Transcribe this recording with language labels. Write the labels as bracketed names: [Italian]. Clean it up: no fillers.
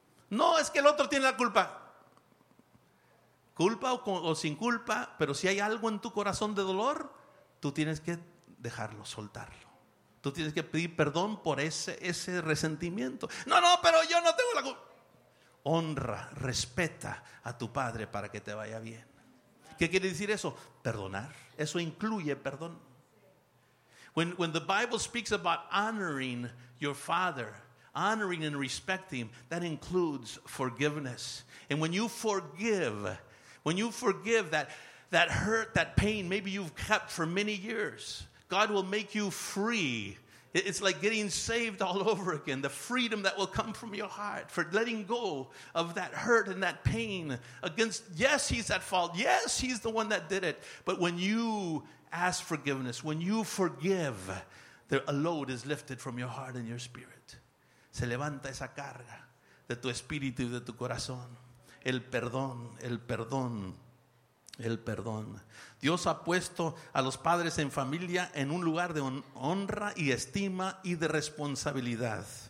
[Spanish] No, es que el otro tiene la culpa. Culpa o sin culpa, pero si hay algo en tu corazón de dolor, tú tienes que dejarlo, soltarlo. Tú tienes que pedir perdón por ese resentimiento. No, pero yo no tengo la culpa. Honra, respeta a tu padre para que te vaya bien. ¿Qué quiere decir eso? Perdonar. Eso incluye perdón. [English] When the Bible speaks about honoring your father, honoring and respecting, that includes forgiveness. And when you forgive that hurt, that pain, maybe you've kept for many years, God will make you free. It's like getting saved all over again. The freedom that will come from your heart for letting go of that hurt and that pain against, yes, he's at fault. Yes, he's the one that did it. But when you ask forgiveness, when you forgive, a load is lifted from your heart and your spirit. [Spanish] Se levanta esa carga de tu espíritu y de tu corazón. El perdón, el perdón, el perdón. Dios ha puesto a los padres en familia en un lugar de honra y estima y de responsabilidad.